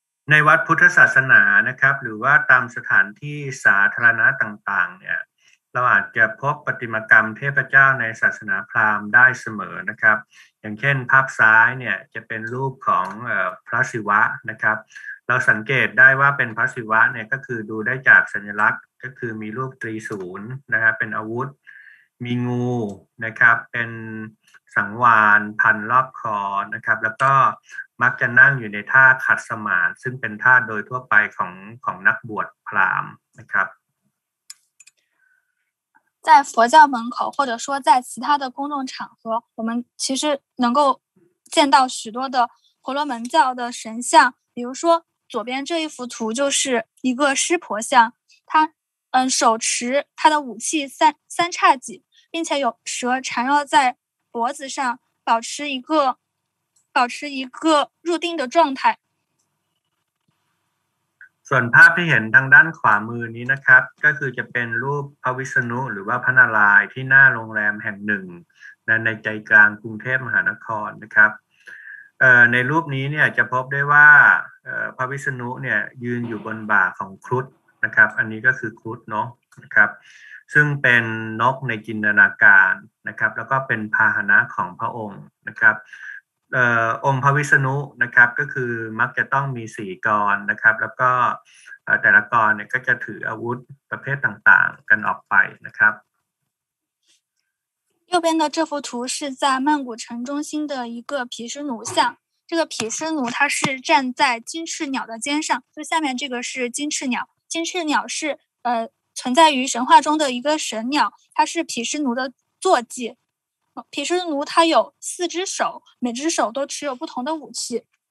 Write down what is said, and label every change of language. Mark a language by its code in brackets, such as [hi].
[th] ในวัดพุทธศาสนานะครับหรือว่าตามสถานที่สาธารณะต่างๆเนี่ยเราอาจจะพบประติมากรรมเทพเจ้าในศาสนาพราหมณ์ได้เสมอนะครับอย่างเช่นภาพซ้ายเนี่ยจะเป็นรูปของพระศิวะนะครับเราสังเกตได้ว่าเป็นพระศิวะเนี่ยก็คือดูได้จากสัญลักษณ์ก็คือมีรูปตรีศูนย์นะครับเป็นอาวุธมีงูนะครับเป็น สังวาลพันรอบคอนะครับแล้วก็มักจะนั่งอยู่ในท่าขัดสมาธิซึ่งเป็นท่าโดยทั่วไปของนักบวชพราหมณ์นะครับ [zh] 在佛教门口或者说在其他的公众场合我们其实能够见到许多的婆罗门教的神像比如说左边这一幅图就是一个湿婆像他手持他的武器三叉戟并且有蛇缠绕在脖子上保持一个保持一个入定的状态。 [th] ส่วนภาพที่เห็นทางด้านขวามือนี้นะครับก็คือจะเป็นรูปพระวิษณุหรือว่าพระนารายณ์ที่หน้าโรงแรมแห่งหนึ่งในใจกลางกรุงเทพมหานครนะครับในรูปนี้เนี่ยจะพบได้ว่าพระวิษณุเนี่ยยืนอยู่บนบ่าของครุฑนะครับอันนี้ก็คือครุฑเนาะนะครับซึ่งเป็นนกในจินตนาการนะครับแล้วก็เป็นพาหนะของพระองค์นะครับ องค์พระวิษณุนะครับก็คือมักจะต้องมี4กรนะครับแล้วก็แต่ละกรเนี่ยก็จะถืออาวุธประเภทต่างๆกันออกไปนะครับ [zh] 右边的这幅图是在曼谷城中心的一个毗湿奴像这个毗湿奴它是站在金翅鸟的肩上就下面这个是金翅鸟金翅鸟是存在于神话中的一个神鸟它是毗湿奴的坐骑毗湿奴它有四只手每只手都持有不同的武器